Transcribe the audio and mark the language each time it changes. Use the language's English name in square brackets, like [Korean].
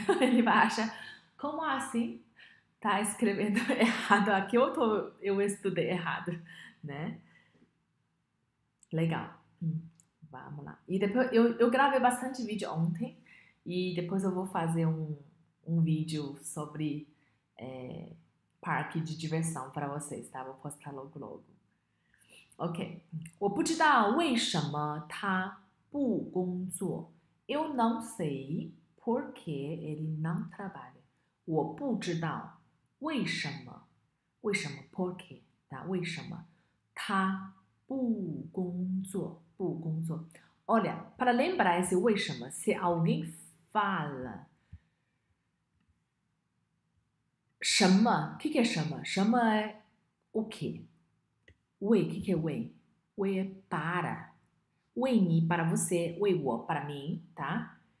[Portuguese] Ele vai achar, como assim? Tá escrevendo errado aqui, eu estudei errado, né? Legal. Vamos lá. E depois eu gravei bastante vídeo ontem. E depois eu vou fazer um vídeo sobre parque de diversão para vocês, tá? Vou postar logo logo. [Chinese] Ok, 我不知道为什么他不工作。 [Portuguese] Eu não sei por que ele não trabalha。 [Chinese] 我不知道为什么，为什么？ [Portuguese] Por que？ [Chinese] 答为什么？他不工作，不工作。 [Portuguese] Olha, para lembrar esse 为什么，se alguém fala 什么？Que é 什么？什么？É o quê？ Oi, o que é oi? Oi é para. Oi, ni, para você. Oi, wo, para mim, tá?